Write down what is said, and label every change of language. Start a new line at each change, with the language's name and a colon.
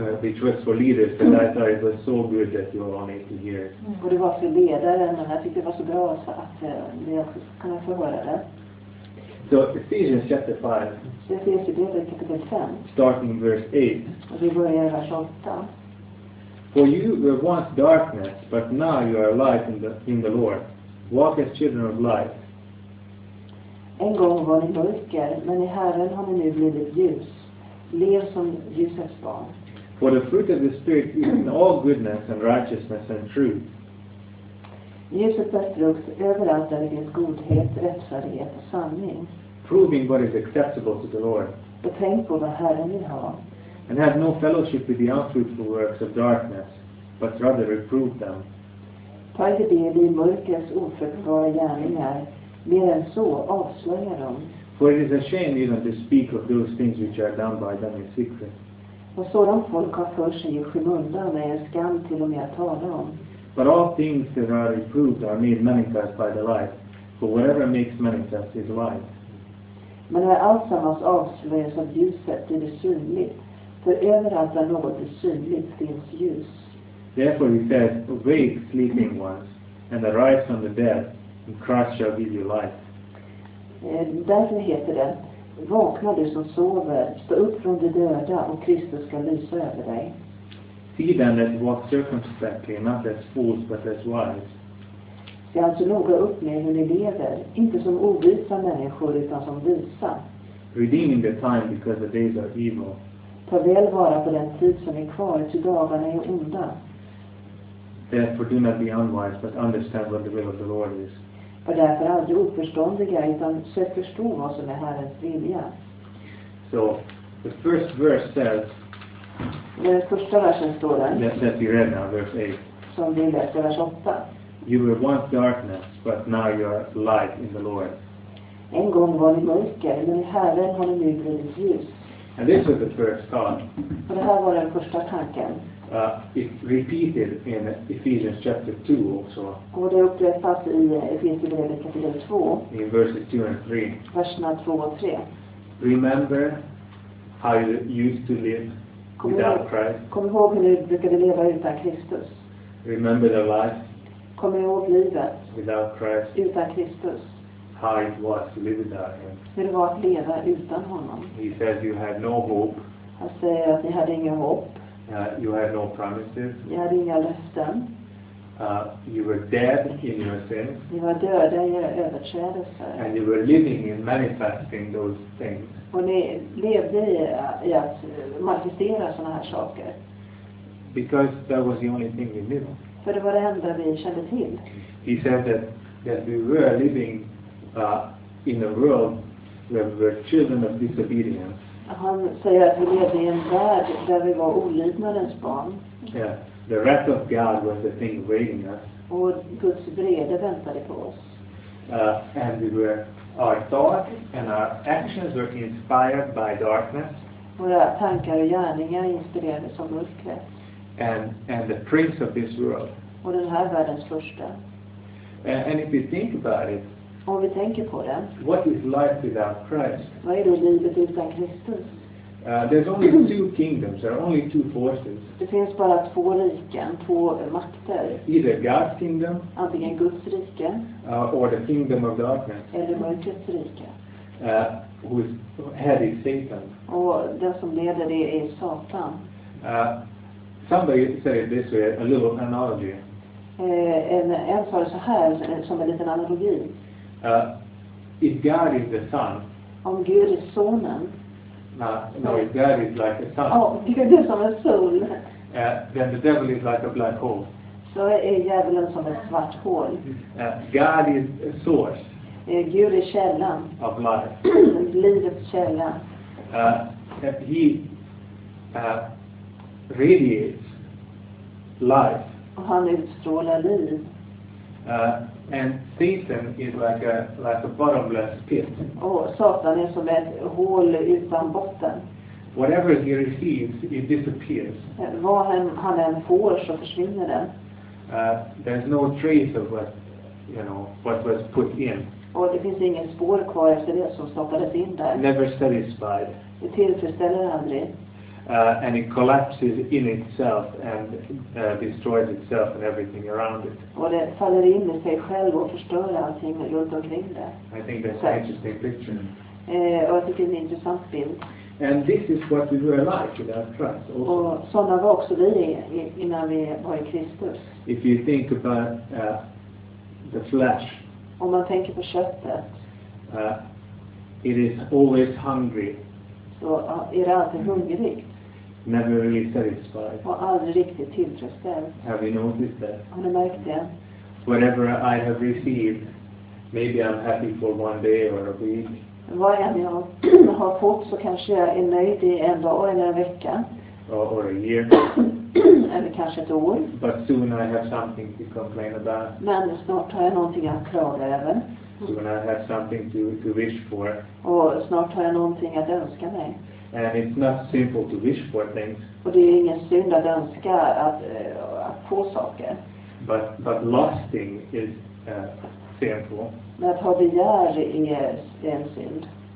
English: Which was for leaders, and I thought it was so good that you were wanting to hear it.
Swedish: Och det var för ledaren, och jag tyckte det var så bra så att vi också kunde få höra det.
English: So Ephesians chapter 5.
Swedish: Efesierbrevet kapitel 5.
English: Starting verse 8.
Swedish: Och vi börjar i vers 8.
English: For you were once darkness, but now you are light in the Lord. Walk as children of light.
Swedish: En gång var ni mörker, men i Herren har ni nu blivit ljus. Lev som ljusets barn.
English: For the fruit of the Spirit is in all goodness and righteousness and truth.
Swedish: Ljuset bär frukt överallt där det finns godhet, rättfärdighet och sanning.
English: Proving what is acceptable to the Lord.
Swedish: Och tänk på vad Herren vill ha.
English: And have no fellowship with the unfruitful works of darkness, but rather reprove them.
Swedish: Ta inte del i mörkrets ofruktbara gärningar, mer än så avslöja dem.
English: For it is a shame even to speak of those things which are done by them in secret.
Swedish: Och sådant folk har för sig i skymundan är en skam till och med att tala om.
English: But all things that are reproved are made manifest by the light, for whatever makes manifest is light.
Swedish: Men när allsammans avslöjas av ljuset blir det synligt. För överallt där något är synligt finns ljus.
English: Therefore he says, awake sleeping ones, and arise from the dead, and Christ shall give you light.
Swedish: Därför heter det, vakna du som sover, stå upp från de döda, och Kristus ska lysa över dig.
English: See then that walk circumspectly, not as fools, but as wise.
Swedish: Se alltså noga upp med hur ni lever, inte som ovisa människor, utan som visa.
English: Redeeming the time because the days are evil.
Swedish: Ta väl vara på den tid som är kvar, till dagarna är onda.
English: Therefore do not be unwise, but understand what the will of the Lord is.
Swedish: Var därför aldrig oförståndiga, utan sök förstå vad som är Herrens vilja.
English: So, the first verse says,
Swedish: den första versen står den,
English: that we read now, verse 8.
Swedish: Som vi läste vers 8.
English: You were once darkness, but now you are light in the Lord.
Swedish: En gång var ni mörker, men i Herren har ni nu blivit ljus.
English: And this was the first thought.
Swedish: Och det här var den första tanken.
English: It repeated in Ephesians chapter 2 also.
Swedish: Och det upprepas i Efesierbrevet kapitel 2.
English: In verses 2 and 3.
Swedish: Verserna 2 och 3.
English: Remember how you used to live without Christ.
Swedish: Kom ihåg hur ni brukade leva utan Kristus.
English: Remember the life.
Swedish: Kom ihåg livet.
English: Without Christ.
Swedish: Utan Kristus.
English: How it was to live without him.
Swedish: Hur det var att leva utan honom.
English: He says you had no hope.
Swedish: Han säger att ni hade inga hopp.
English: You had no promises.
Swedish: Ni hade inga löften.
English: You were dead in your sins.
Swedish: Ni var döda i era överträdelser.
English: And you were living in manifesting those things.
Swedish: Och ni levde i att manifestera såna här saker.
English: Because that was the only thing we knew.
Swedish: För det var det enda vi kände till.
English: He said that we were living in a world where we were children of disobedience.
Swedish: Han säger att vi levde i en värld där vi var olydnadens barn.
English: Yeah, the wrath of God was the thing waiting us.
Swedish: Och Guds vrede väntade på oss.
English: And we were, our thoughts and our actions were inspired by darkness.
Swedish: Våra tankar och gärningar inspirerades av mörkret.
English: and the prince of this world.
Swedish: Och den här världens första.
English: And if you think about it.
Swedish: Om vi tänker på det.
English: What is life without Christ?
Swedish: Vad är då livet utan Kristus?
English: There's only two kingdoms. There are only two forces.
Swedish: Det finns bara två riken, två makter.
English: Either God's kingdom.
Swedish: Antingen Guds rike.
English: Or the kingdom of darkness.
Swedish: Eller mörkrets rike.
English: Who is head is Satan.
Swedish: Och den som leder det är Satan.
English: Somebody said it this way, a little analogy.
Swedish: En sa det så här, som en liten analogi.
English: If God is the Son.
Swedish: Om Gud är sonen.
English: No, if God is like a sun.
Swedish: Oh, Gud är som en sol.
English: Then the devil is like a black hole.
Swedish: Så är djävulen som ett svart hål.
English: God is a source.
Swedish: Gud är källan.
English: Of life.
Swedish: Livets källa.
English: He radiates life.
Swedish: Och han utstrålar liv.
English: And Satan is like a bottomless pit.
Swedish: Oh, Satan är som ett hål utan botten.
English: Whatever he receives, it disappears.
Swedish: Vad han än får så försvinner den.
English: There's no trace of what, you know, what was put in.
Swedish: Och det finns ingen spår kvar efter det som stoppades in där.
English: Never satisfied.
Swedish: Det tillfredsställer aldrig.
English: And it collapses in itself and destroys itself and everything around it.
Swedish: Och det faller in i sig själv och förstör allting runt omkring det.
English: I think that's an interesting picture.
Swedish: Och jag tycker det är en intressant bild.
English: And this is what we were like without Christ. Also.
Swedish: Och sådana var också vi innan vi var i Kristus.
English: If you think about the flesh.
Swedish: Om man tänker på köttet.
English: It is always hungry.
Swedish: Så är det alltid hungrigt.
English: Never really satisfied.
Swedish: Och aldrig riktigt tillfredsställd.
English: Have you noticed that?
Swedish: Har du märkt det?
English: Whatever I have received, maybe I'm happy for one day or a week.
Swedish: Vad än jag har fått så kanske jag är nöjd i en dag eller en vecka.
English: Or a year.
Swedish: Eller kanske ett år.
English: But soon I have something to complain about.
Swedish: Men snart har jag någonting att klaga över.
English: Soon I have something to wish for.
Swedish: Och snart har jag någonting att önska mig.
English: And it's not simple to wish for things.
Swedish: Och det är ingen synd att önska att få saker.
English: But lusting is sinful.
Swedish: Men att ha begär är en synd.